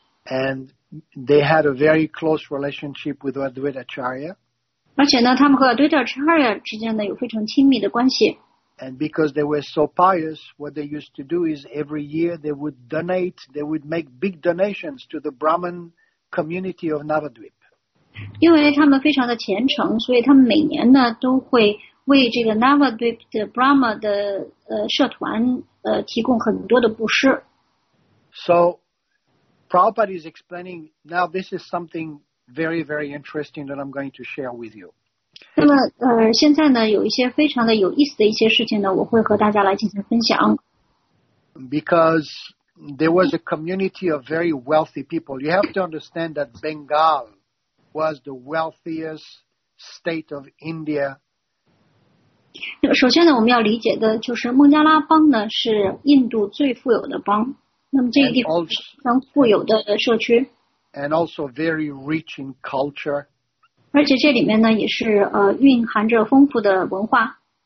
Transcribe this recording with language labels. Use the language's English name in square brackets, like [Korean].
[English] And they had a very close relationship with Advaita Acharya. [Chinese] 而且呢，他们和 Advaita Acharya 之间呢有非常亲密的关系。 [English] And because they were so pious, what they used to do is every year they would donate, they would make big donations to the Brahmin community of Navadvip. [Chinese] 因为他们非常的虔诚，所以他们每年呢都会为这个 Navadvip 的 Brahma 的社团提供很多的布施。 [English] So. Prabhupada is explaining, now this is something very, very interesting that I'm going to share with you. [Chinese] 那么现在呢有一些非常的有意思的一些事情呢我会和大家来进行分享。 [English] Because there was a community of very wealthy people. You have to understand that Bengal was the wealthiest state of India. [Chinese] 首先呢我们要理解的就是孟加拉邦呢是印度最富有的邦。那么这个地方非常富有的社区 [English] and also very rich in culture, [Chinese] 而且这里面呢也是蕴含着丰富的文化